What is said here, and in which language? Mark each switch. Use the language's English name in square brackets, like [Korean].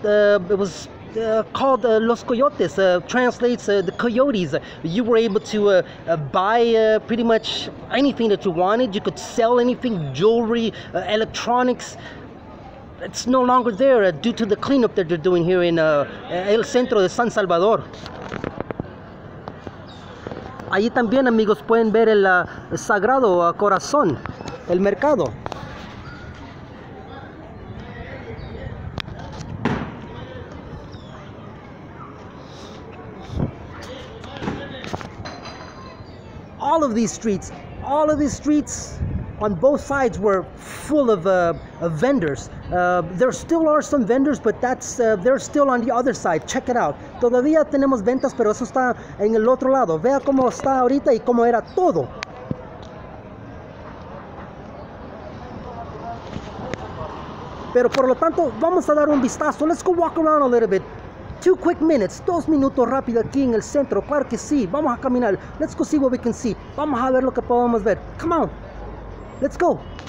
[English] It was called Los Coyotes, translates the coyotes. You were able to buy pretty much anything that you wanted. You could sell anything, jewelry, electronics. It's no longer there due to the cleanup that they're doing here in El Centro de San Salvador. [Spanish] Allí también, amigos, pueden ver el Sagrado Corazón, el mercado. [English] All of these streets, on both sides were full of vendors. There still are some vendors, but that's they're still on the other side. Check it out. [Spanish] Todavía tenemos ventas, pero eso está en el otro lado. Vea cómo está ahorita y cómo era todo. Pero por lo tanto, vamos a dar un vistazo. [English] Let's go walk around a little bit. 2 quick minutes, [Spanish] 2 minutos rápido aquí en el centro, claro que sí, vamos a caminar, [English] let's go see what we can see, [Spanish] vamos a ver lo que podemos ver, [English] come on, let's go.